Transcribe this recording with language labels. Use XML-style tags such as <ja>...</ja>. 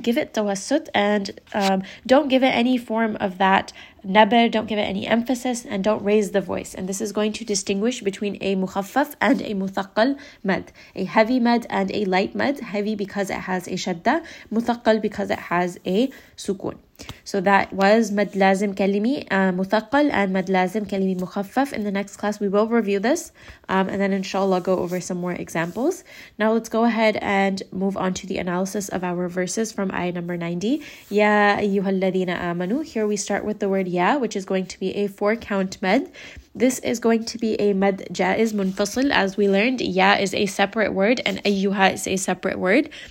<en>Give it توسط and don't give it any form of that نبر, don't give it any emphasis, and don't raise the voice. And this is going to distinguish between a مخفف and a مثقل مد. A heavy مد and a light مد. Heavy because it has a شدة. مثقل because it has a سكون. So that was مد لازم كلمي مثقل and مد لازم كلمي مخفف. In the next class, we will review this. And then inshallah, go over some more examples. Now let's go ahead and move on to the analysis of our verses from ayah number 90.</en> <ar>يَا أَيُّهَا الَّذِينَ آمَنُوا.</ar> <en>Here we start with the word ya, which is going to be a 4-count med. This is going to be a med jaiz munfasil. As we learned, ya is a separate word and ayyuha is a separate word.</en>